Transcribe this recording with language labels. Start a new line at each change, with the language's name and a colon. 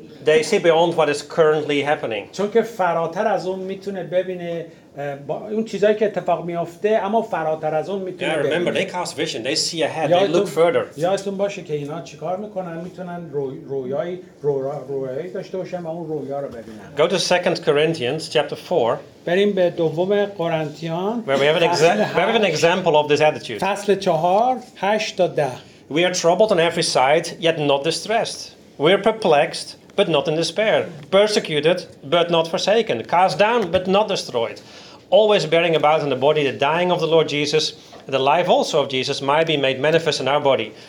English: They see beyond what is currently happening.
Persian: چونکه فراتر از اون میتونه ببینه با اون چیزایی که اتفاق میفته اما فراتر از اون میتونه ببینه.
English: Yeah, remember they cast vision. They see ahead. They look further.
Persian: یادتون باشه که اینا چیکار میکنن میتونن رویایی داشته باشن و اون رویا رو ببینن.
English: Go to 2 Corinthians chapter 4.
Persian: بریم به دوم قرنتیان.
English: We have an example of this attitude.
Persian: فصل 4 8 تا 10.
English: We are troubled on every side yet not distressed. We are perplexed but not in despair, persecuted but not forsaken, cast down but not destroyed, always bearing about in the body the dying of the Lord Jesus, that the life also of Jesus might be made manifest in our body.